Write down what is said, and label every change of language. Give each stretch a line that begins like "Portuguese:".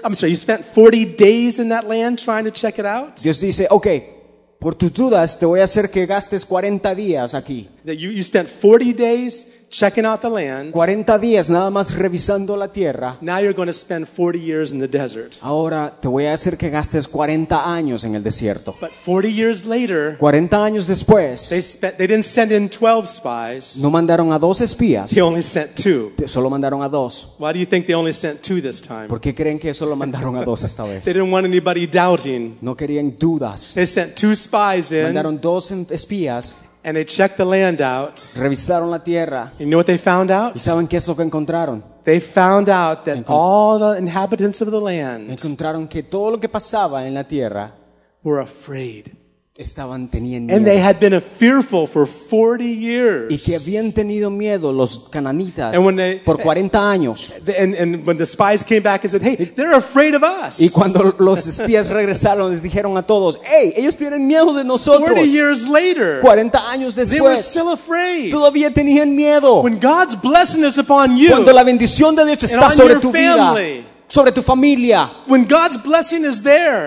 English: I'm sorry, you spent 40 days in that land trying to check it out."
Spanish: Dios dice, "Okay, por tus dudas te voy a hacer que gastes 40 días aquí."
English: That you spent 40 days checking out the land.
Spanish: 40 días nada más revisando la tierra.
English: Now you're going to spend 40 years in the desert.
Spanish: Ahora te voy a hacer que gastes 40 años en el desierto.
English: But 40 years later,
Spanish: 40 años después,
English: they didn't send in 12 spies.
Spanish: No mandaron a 12 espías.
English: They only sent 2.
Spanish: Solo mandaron a 2.
English: Why do you think they only sent 2 this time?
Spanish: ¿Por qué creen que solo mandaron a 2 esta vez?
English: They didn't want anybody doubting.
Spanish: No querían dudas.
English: They sent 2 spies in.
Spanish: Mandaron 2 espías.
English: And they checked the land out.
Spanish: Revisaron la tierra.
English: You know what they found out?
Spanish: ¿Y saben qué es lo que encontraron?
English: They found out that all the inhabitants of the land
Spanish: encontraron que todo lo que pasaba en la tierra
English: were afraid.
Spanish: Estaban teniendo miedo.
English: And they had been fearful for 40 years.
Spanish: Y que habían tenido miedo los cananitas por 40 años.
English: And when the spies came back and said, hey, they're afraid of us.
Spanish: Y cuando los espías regresaron, les dijeron a todos, hey, ellos tienen miedo de nosotros.
English: 40 years later,
Spanish: 40 años después,
English: they were still afraid.
Spanish: Todavía tenían miedo.
English: When God's blessing is upon you,
Spanish: cuando la bendición de Dios está sobre tu vida, sobre tu familia,
English: when God's blessing is there,